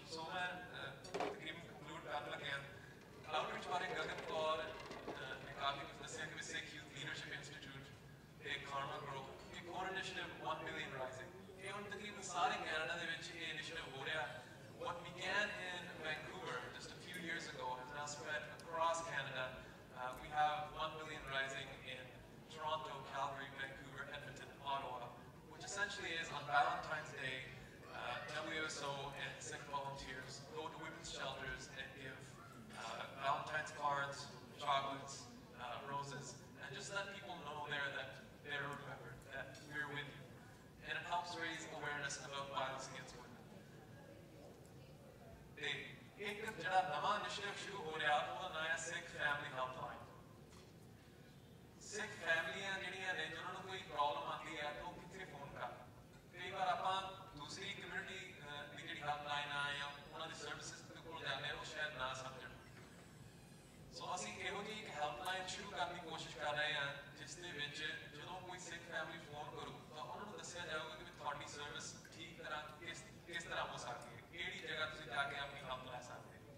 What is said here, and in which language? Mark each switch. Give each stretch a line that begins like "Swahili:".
Punjabi: ਸੋ ਮੈਂ ਤਕਰੀਬਨ ਕੰਕਲੂਡ ਕਰਨ ਲੱਗਿਆ. ਆਊਟਰੀਚ ਬਾਰੇ ਗਗਨ ਕੌਰ ਨੇ ਕਾਫੀ ਕੁਛ ਦੱਸਿਆ ਕਿ ਸਿੱਖ ਯੂਥ ਲੀਡਰਸ਼ਿਪ ਇੰਸਟੀਟਿਊਟ ਅਤੇ ਕਾਰਨਰ ਗਰੁੱਪ ਇੱਕ ਹੋਰ ਇਨੀਸ਼ੀਟਿਵ 1 million ਰਾਈਜ਼ਿੰਗ. ਇਹ ਹੁਣ ਤਕਰੀਬਨ ਸਾਰੇ ਕੈਨੇਡਾ ਦੇ ਵਿੱਚ ਇਹ ਇਨੀਸ਼ੀਟਿਵ ਹੋ ਰਿਹਾ.
English: What we can in Vancouver just a few years ago has now spread across Canada. We have 1 million raising in Toronto, Calgary, Vancouver, Edmonton, Ottawa, which essentially is on Valentine's Day, WSO and Sikh volunteers go to women's shelters and give Valentine's cards, chocolates, roses, and just let people know there that they're remembered, that we're with you. And it helps raise awareness about violence against women. The new initiative that started is called the Sikh Family Helpline.
Punjabi: ਸਿੱਖ ਫੈਮਲੀਆਂ ਜਿਹੜੀਆਂ ਨੇ ਜਿਹਨਾਂ ਨੂੰ ਕੋਈ problem ਆਉਂਦੀ ਹੈ ਤਾਂ ਉਹ ਕਿੱਥੇ ਫੋਨ ਕਰ. ਕਈ ਵਾਰ ਆਪਾਂ ਦੂਸਰੀ ਕਮਿਊਨਿਟੀ ਦੀ ਜਿਹੜੀ ਹੈਲਪਲਾਈਨ ਆ ਜਾਂ ਉਹਨਾਂ ਦੀ ਸਰਵਿਸਿਸ ਦੇ ਕੋਲ ਜਾਂਦੇ ਹਾਂ ਉਹ ਸ਼ਾਇਦ ਨਾ ਸਮਝਣ. ਸੋ ਅਸੀਂ ਇਹੋ ਜਿਹੀ ਇੱਕ ਹੈਲਪਲਾਈਨ ਸ਼ੁਰੂ ਕਰਨ ਦੀ ਕੋਸ਼ਿਸ਼ ਕਰ ਰਹੇ ਹਾਂ ਜਿਸ ਦੇ ਵਿੱਚ ਜਦੋਂ ਕੋਈ ਸਿੱਖ ਫੈਮਲੀ ਫੋਨ ਕਰੂ ਤਾਂ ਉਹਨਾਂ ਨੂੰ ਦੱਸਿਆ ਜਾਊਗਾ ਕਿ ਤੁਹਾਡੀ ਸਰਵਿਸ ਠੀਕ ਤਰ੍ਹਾਂ ਕਿਸ ਤਰ੍ਹਾਂ ਹੋ ਸਕਦੀ ਹੈ, ਕਿਹੜੀ ਜਗ੍ਹਾ ਤੁਸੀਂ ਜਾ ਕੇ ਆਪਣੀ ਹੈਲਪ ਲੈ ਸਕਦੇ.